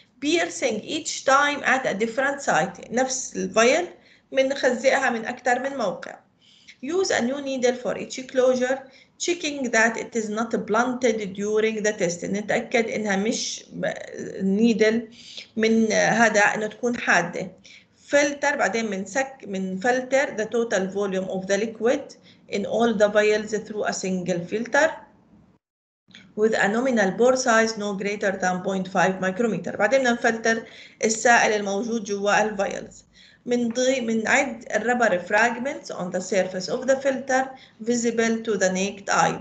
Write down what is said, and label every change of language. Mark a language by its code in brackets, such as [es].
[en] Piercing each time at a different site. [ar] نفس الفايل بنخزقها من أكثر من موقع. [en] Use a new needle for each closure, checking that it is not blunted during the test. [ar] نتأكد إنها مش نيدل من هذا إنه تكون حادة. [en] Filter [ar] بعدين من فلتر [en] the total volume of the liquid in all the vials through a single filter with a nominal bore size no greater than 0.5 micrometer. [ar] بعدين نفلتر السائل الموجود جوا الفايلز. منعد الربر [en] fragments on the surface of the filter visible to the naked eye.